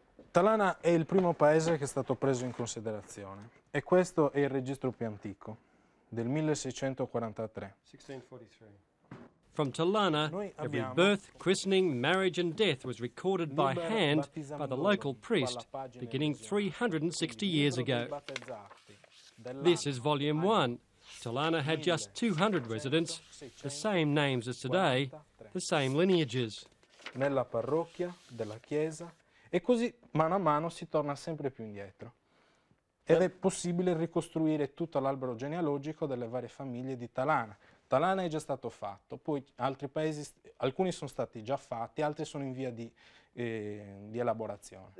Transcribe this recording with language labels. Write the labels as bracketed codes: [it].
[it] Talana è il primo paese che è stato preso in considerazione. E questo è il registro più antico, del 1643. [en] From Talana, every birth, christening, marriage and death was recorded by hand by the local priest, beginning 360 years ago. This is volume one. Talana had just 200 residents, the same names as today, the same lineages. [it] Nella parrocchia della chiesa, e così mano a mano si torna sempre più indietro. Ed è possibile ricostruire tutto l'albero genealogico delle varie famiglie di Talana. Talana è già stato fatto, poi altri paesi, alcuni sono stati già fatti, altri sono in via di elaborazione.